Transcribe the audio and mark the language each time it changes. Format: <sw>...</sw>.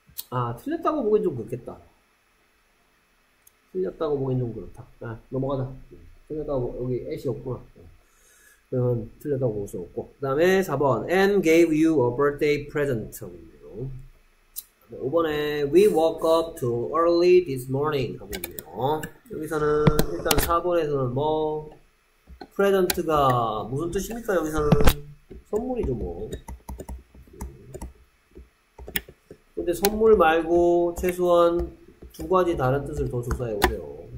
<ko>아, 틀렸다고 보기엔 좀 그렇겠다. 틀렸다고 보기엔 좀 그렇다. 아, 넘어가자. 틀렸다고, 여기 애시 없구나. 그러면 틀렸다고 볼수 없고. 그 다음에 4번.</ko> <en>Anne gave you a birthday present.</en> <ko>5번에</ko> <en>We woke up too early this morning.</en> <ko>하고 있네요. 여기서는 일단 4번에서는 뭐, 프레젠트가 무슨 뜻입니까? 여기서는 선물이죠 뭐. 근데 선물 말고 최소한 두 가지 다른 뜻을 더 조사해 보세요.</ko>